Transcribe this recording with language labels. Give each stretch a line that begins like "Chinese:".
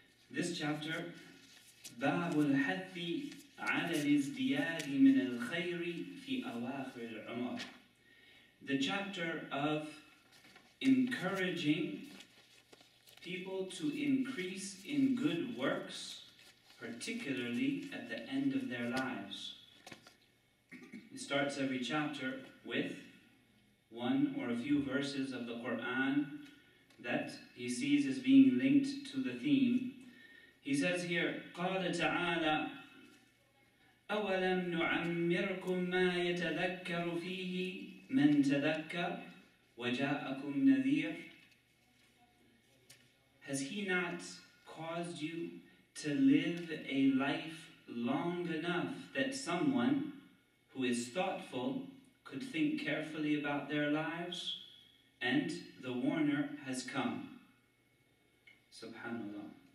English: This chapter,
Arabic: باب الحث على الازدياد من الخير في أواخر العمر.
English: The chapter of encouraging people to increase in good works, particularly at the end of their lives. It starts every chapter with one or a few verses of the Quran that he sees as being linked to the theme. He says here,
Arabic: قال تعالى أولم نعمركم ما يتذكر فيه من تذكر وجاءكم نذير.
English: Has he not caused you to live a life long enough that someone who is thoughtful could think carefully about their lives, and the warner has come? Subhanallah.